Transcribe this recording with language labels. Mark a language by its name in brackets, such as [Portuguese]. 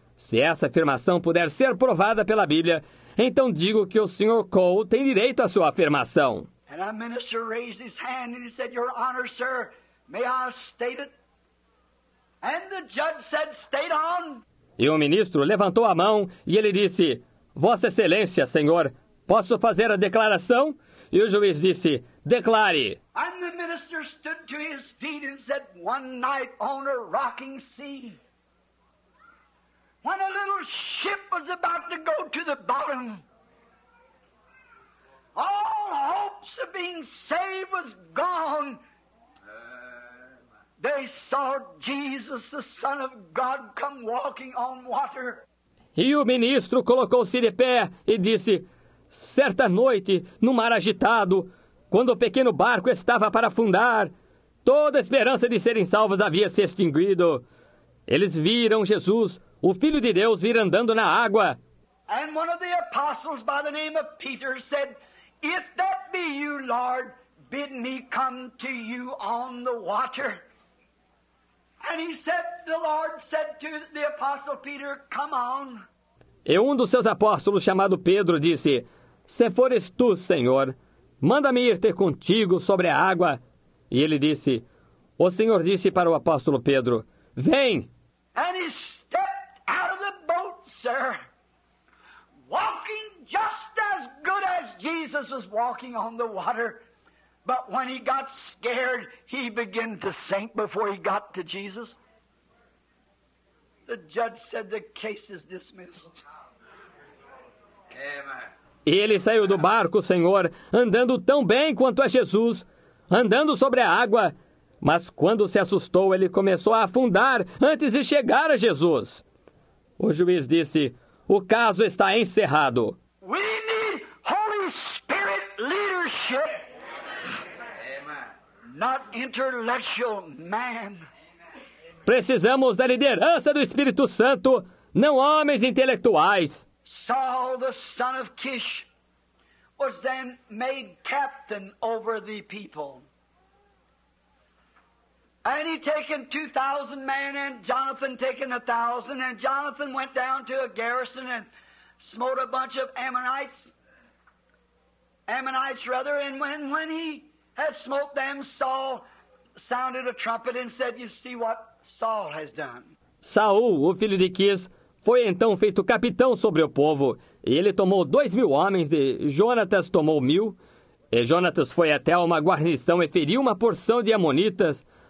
[Portuguese] Se essa afirmação puder ser provada pela Bíblia, então digo que o Sr. Cole tem direito à sua afirmação. [English] And a minister raised his hand and he said, Your Honor, sir, may I state it? And the judge said, state on. [Portuguese] E o ministro levantou a mão e ele disse, Vossa Excelência, senhor, posso fazer a declaração? E o juiz disse, declare. [English] And the minister stood to his feet and said, One night on a rocking sea, when a little ship was about to go to the bottom, all hopes of being saved was gone. They saw Jesus, the Son of God, come walking on water. [Portuguese] E o ministro colocou-se de pé e disse, Certa noite, no mar agitado, quando o pequeno barco estava para afundar, toda a esperança de serem salvos havia se extinguido. Eles viram Jesus, o Filho de Deus, vir andando na água. [English] And one of the apostles by the name of Peter said, If that be you, Lord, bid me come to you on the water. And he said, the Lord said to the apostle Peter, come on. [Portuguese] E um dos seus apóstolos, chamado Pedro, disse, Se fores tu, Senhor, manda-me ir ter contigo sobre a água. E ele disse, O Senhor disse para o apóstolo Pedro, Vem! [English] And he stepped out of the boat, sir, walking just as good as Jesus was walking on the water. But when he got scared, he began to sink before he got to Jesus. The judge said the case is dismissed. Amen. [Portuguese] E ele saiu do barco, Senhor, andando tão bem quanto a Jesus, andando sobre a água. Mas quando se assustou, ele começou a afundar antes de chegar a Jesus. O juiz disse, o caso está encerrado. [English] We need Holy Spirit leadership. Not intellectual man. [Portuguese] Precisamos da liderança do Espírito Santo, não homens intelectuais. [English] Saul, the son of Kish, was then made captain over the people. And he taken 2,000 men, and Jonathan taken 1,000, and Jonathan went down to a garrison and smote a bunch of Ammonites, and when he had smote them, Saul sounded a trumpet and said, You see what Saul has done. [Portuguese] Saul, o filho de Kish, foi então feito capitão sobre o povo, e ele tomou 2,000 homens, e Jonatas tomou 1,000. E Jonatas foi até uma guarnição e feriu uma porção de Amonitas.